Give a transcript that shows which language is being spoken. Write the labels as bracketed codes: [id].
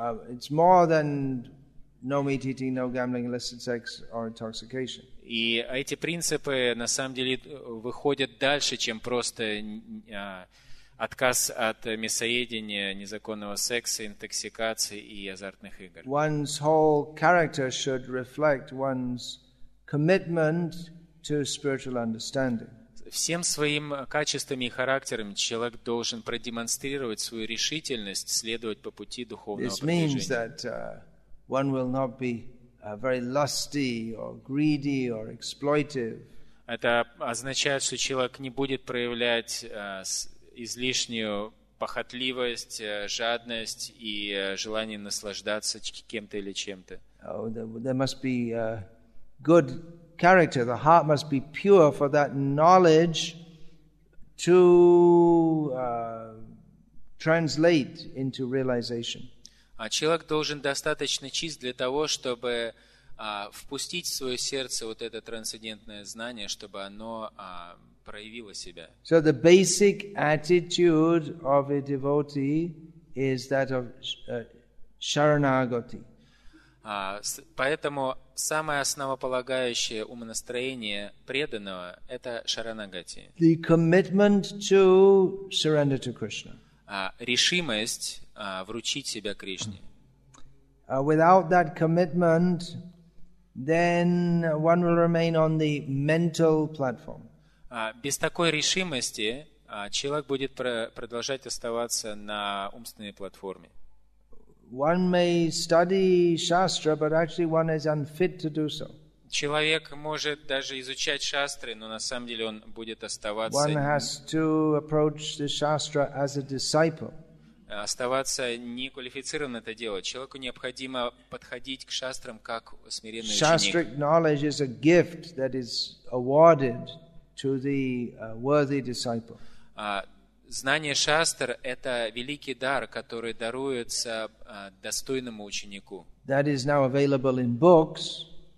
[en] It's more than no meat eating, no gambling, illicit sex, or intoxication. [ru] И эти принципы на самом деле выходят дальше, чем просто отказ от мясоедения, незаконного секса, интоксикации и азартных игр. [en] One's whole character should reflect one's commitment to spiritual understanding. [ru] Всем своим качествами и характером человек должен продемонстрировать свою решительность следовать по пути духовного продвижения. [en] One will not be very lusty or greedy or exploitive. [ru] Это означает, что человек не будет проявлять излишнюю похотливость, жадность и желание наслаждаться кем-то или чем-то. [en] There must be good character. The heart must be pure for that knowledge to translate into realization. [ru] Человек должен достаточно чист для того, чтобы впустить в свое сердце вот это трансцендентное знание, чтобы оно проявило себя. [en] So the basic attitude of a devotee is that of sharanagati. [ru] Поэтому самое основополагающее умонастроение преданного – это шаранагати. [en] The commitment to surrender to Krishna. [ru] Решимость вручить себя Кришне. [en] Without that commitment, then one will remain on the mental platform. [ru] Без такой решимости человек будет продолжать оставаться на умственной платформе. [en] One may study shastra, but actually one is unfit to do so. [ru] Человек может даже изучать шастры, но на самом деле он будет оставаться. [en] One has to approach the shastra as a disciple. [ru] Оставаться неквалифицированным это дело. Человеку необходимо подходить к шастрам как смиренный ученик. [en] Shastric knowledge is a gift that is awarded to the worthy disciple. [ru] Знание шастр – это великий дар, который даруется достойному ученику. [en] That is now available in books.